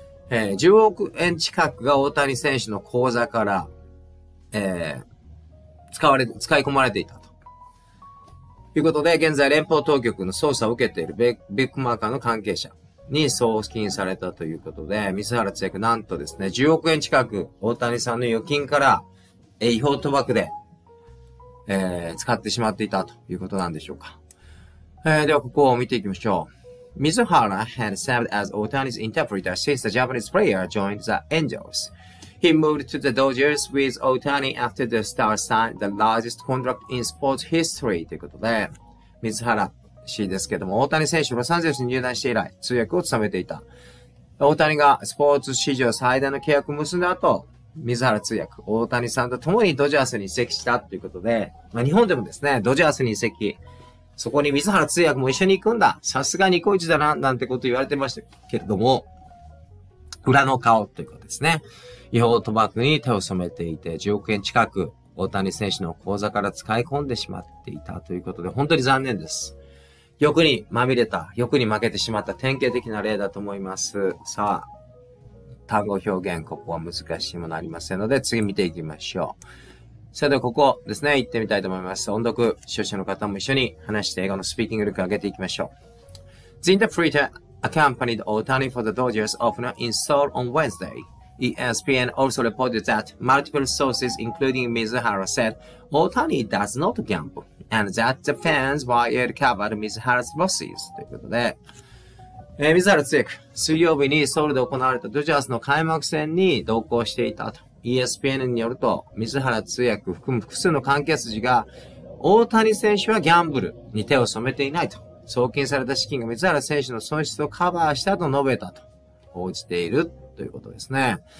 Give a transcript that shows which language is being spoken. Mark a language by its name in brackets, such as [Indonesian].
[Japanese] 10億円近くが大谷選手の口座から、使い込まれていたということで、現在連邦当局の捜査を受けているビッグマーカーの関係者に送金されたということで、水原通訳、なんとですね、10億円近く大谷さんの預金から、違法賭博で、使ってしまっていたということなんでしょうか。ではここを見ていきましょう。 [English] Mizuhara had served as Otani's interpreter since the Japanese player joined the Angels. He moved to the Dodgers with Otani after the star signed the largest contract in sports history. [Japanese] ということで、Mizuhara 氏ですけども、大谷選手ロサンゼルスに入団して以来通訳を務めていた。大谷がスポーツ史上最大の契約を結んだ後、水原通訳、大谷さんと共にドジャースに移籍したということで、まあ、日本でもですね、ドジャースに移籍、そこに水原通訳も一緒に行くんだ、さすがニコイチだな、なんてこと言われてましたけれども、裏の顔ということですね。違法賭博に手を染めていて、10億円近く、大谷選手の口座から使い込んでしまっていたということで、本当に残念です。欲にまみれた、欲に負けてしまった典型的な例だと思います。さあ、単語表現、ここは難しいものありませんので、次見ていきましょう。それではここですね、行ってみたいと思います。音読、視聴者の方も一緒に話して、英語のスピーキング力を上げていきましょう。 [English] The interpreter accompanied Otani for the Dodgers opener in Seoul on Wednesday. ESPN also reported that multiple sources, including Mizuhara, said Otani does not gamble and that the fans were yet covered Mizuhara's losses. [Japanese] ということで、Mizuhara 通訳、水曜日にソウルで行われたドジャースの開幕戦に同行していたと。 ESPN によると、Mizuhara 通訳含む複数の関係筋が、大谷選手はギャンブルに手を染めていないと。送金された資金が Mizuhara 選手の損失をカバーしたと述べたと。報じている。ということですね。